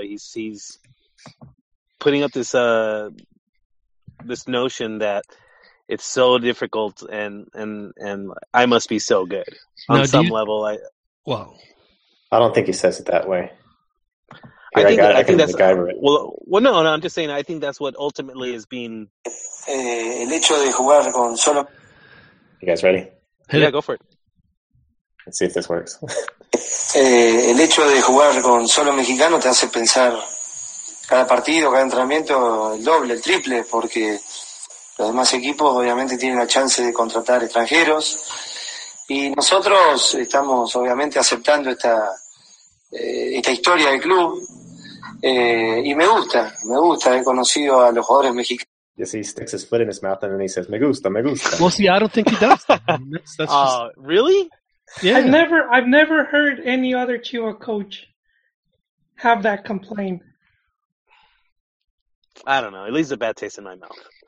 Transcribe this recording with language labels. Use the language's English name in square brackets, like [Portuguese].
[English] He's putting up this this notion that it's so difficult and I must be so good. On now, some level, I... Well... I don't think he says it that way. Here, I think that's... Well, no, I'm just saying I think that's what ultimately is being... [Spanish] El hecho de jugar con solo... [English] You guys ready? Yeah, go for it. Let's see if this works. [Spanish] El hecho de jugar con solo mexicano te hace pensar cada partido, cada entrenamiento, el doble, el triple, porque los demás equipos obviamente tienen la chance de contratar extranjeros. Y nosotros estamos obviamente aceptando esta historia del club. Y me gusta, he conocido a los jugadores mexicanos. [English] Yes, he sticks his foot in his mouth and then he says, [Spanish] me gusta, me gusta. [English] Well, see, I don't think he does. Really? Yeah. I've never heard any other Chiva coach have that complaint. I don't know. It leaves a bad taste in my mouth.